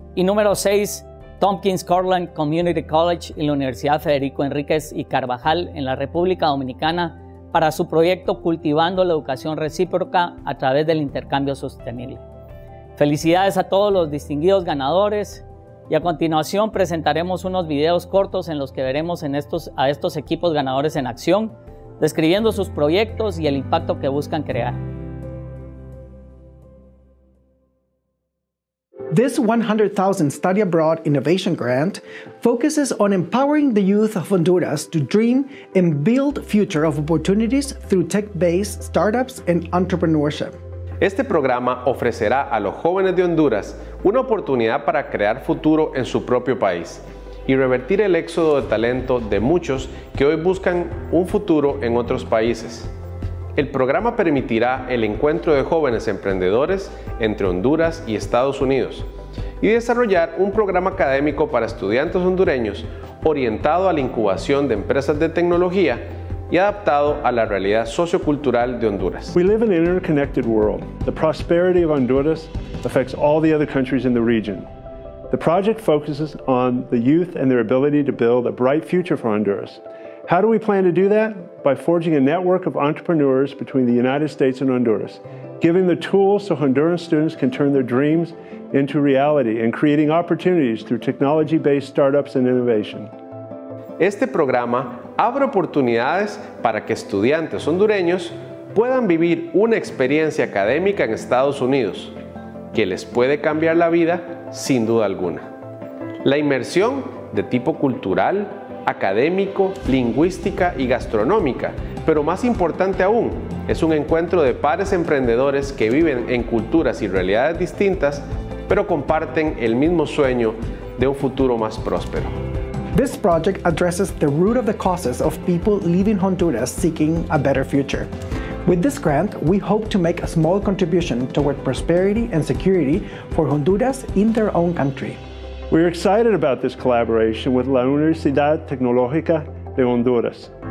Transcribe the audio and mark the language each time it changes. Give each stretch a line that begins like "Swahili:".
Spanish: Y número 6, Tompkins Cortland Community College y la Universidad Federico Enríquez y Carvajal en la República Dominicana para su proyecto Cultivando la Educación Recíproca a través del Intercambio Sostenible. Felicidades a todos los distinguidos ganadores y a continuación presentaremos unos videos cortos en los que veremos a estos equipos ganadores en acción, describiendo sus proyectos y el impacto que buscan crear.
English: This 100,000 Study Abroad Innovation Grant focuses on empowering the youth of Honduras to dream and build future of opportunities through tech-based startups and entrepreneurship.
Spanish: Este programa ofrecerá a los jóvenes de Honduras una oportunidad para crear futuro en su propio país y revertir el éxodo de talento de muchos que hoy buscan un futuro en otros países. El programa permitirá el encuentro de jóvenes emprendedores entre Honduras y Estados Unidos y desarrollar un programa académico para estudiantes hondureños orientado a la incubación de empresas de tecnología y adaptado a la realidad sociocultural de Honduras.
English: We live in an interconnected world. The prosperity of Honduras affects all the other countries in the region. The project focuses on the youth and their ability to build a bright future for Honduras. How do we plan to do that? By forging a network of entrepreneurs between the United States and Honduras, giving the tools so Honduran students can turn their dreams into reality and creating opportunities through technology-based startups and innovation.
Spanish: Este programa abre oportunidades para que estudiantes hondureños puedan vivir una experiencia académica en Estados Unidos que les puede cambiar la vida sin duda alguna. La inmersión de tipo cultural, académico, lingüística y gastronómica, pero más importante aún, es un encuentro de pares emprendedores que viven en culturas y realidades distintas, pero comparten el mismo sueño de un futuro más próspero.
English: This project addresses the root of the causes of people leaving Honduras seeking a better future. With this grant, we hope to make a small contribution toward prosperity and security for Honduras in their own country. We're excited about this collaboration with La Universidad Tecnológica de Honduras.